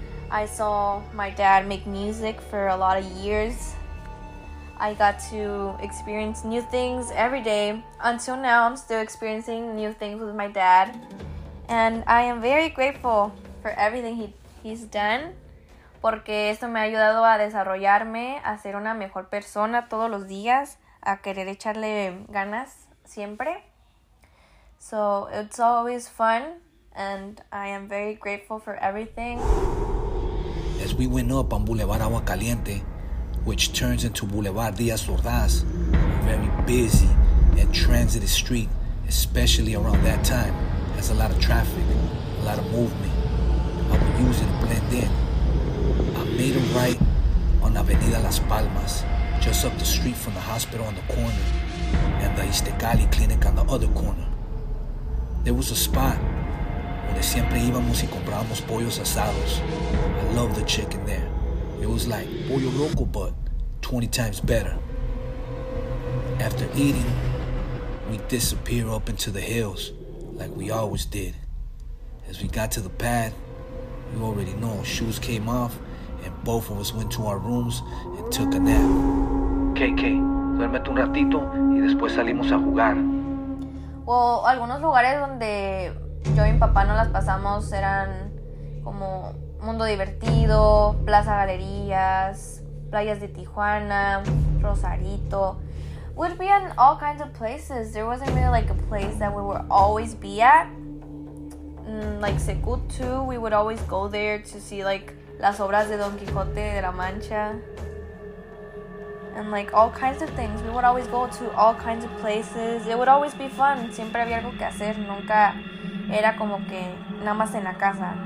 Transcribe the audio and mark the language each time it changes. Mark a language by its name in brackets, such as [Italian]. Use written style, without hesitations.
[English] I saw my dad make music for a lot of years. I got to experience new things every day. Until now, I'm still experiencing new things with my dad. And I am very grateful for everything he's done. [Spanish] Porque esto me ha ayudado a desarrollarme, a ser una mejor persona todos los días, a querer echarle ganas siempre. [English] So it's always fun, and I am very grateful for everything. As we went up on Boulevard Agua Caliente, which turns into Boulevard Díaz Ordaz, a very busy and transited street, especially around that time, has a lot of traffic, a lot of movement. I would use it to blend in. I made a right on Avenida Las Palmas, just up the street from the hospital on the corner, and the Istecali Clinic on the other corner. There was a spot [Spanish] donde siempre íbamos y comprábamos pollos asados. [English] I love the chicken there. It was like pollo loco, but 20 times better. After eating, we disappear up into the hills like we always did. As we got to the pad, you already know, shoes came off and both of us went to our rooms and took a nap. [Spanish] KK, duérmete un ratito y después salimos a jugar. Well, algunos lugares donde yo y mi papá nos las pasamos eran como Mundo Divertido, Plaza Galerías, Playas de Tijuana, Rosarito. [English] We'd be in all kinds of places. There wasn't really like a place that we would always be at. Like Secu too, we would always go there to see like [Spanish] las obras de Don Quijote de la Mancha. [English] And like all kinds of things. We would always go to all kinds of places. It would always be fun. [Spanish] Siempre había algo que hacer. Nunca era como que nada más en la casa.